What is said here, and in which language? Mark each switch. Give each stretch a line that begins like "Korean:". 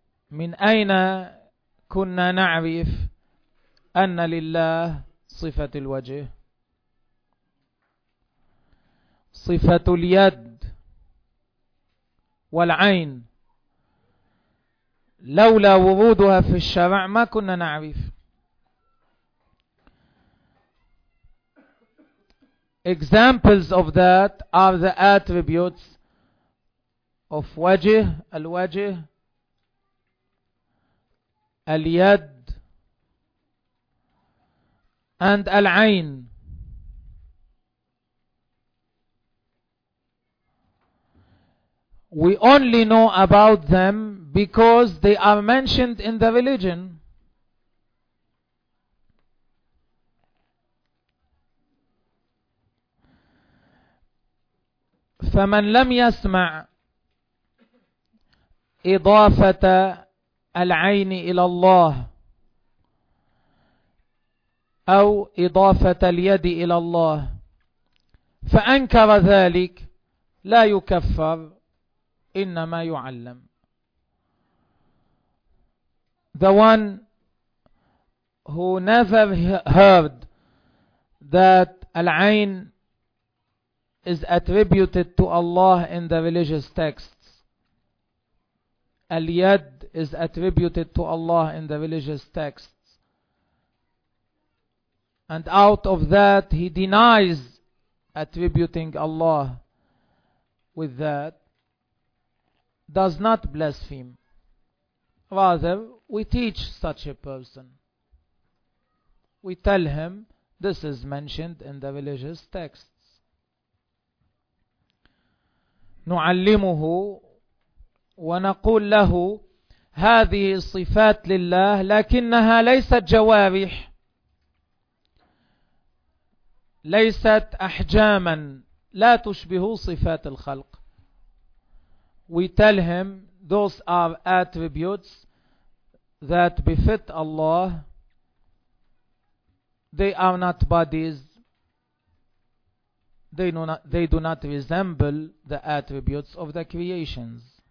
Arabic: من أين كنا نعرف أن لله صفة الوجه صفة اليد والعين لولا وجودها في الشارع ما كنا نعرف.
English: Examples of that are the attributes of وجه, الوجه, اليد, and العين. We only know about them because they are mentioned in the religion.
Arabic: فمن لم يسمع إضافة العين إلى الله أو إضافة اليد إلى الله فأنكر ذلك لا يكفر إنما يعلم.
English: The one who never heard that العين is attributed to Allah in the religious texts. Al-Yad is attributed to Allah in the religious texts. And out of that, he denies attributing Allah with that. Does not blaspheme. Rather, we teach such a person. We tell him, this is mentioned in the religious text.
Arabic: نعلمه ونقول له هذه صفات لله لكنها ليست جوارح, ليست أحجاما, لا تشبه صفات الخلق.
English: We tell him those are attributes that befit Allah. They are not bodies. They do not resemble the attributes of the creations.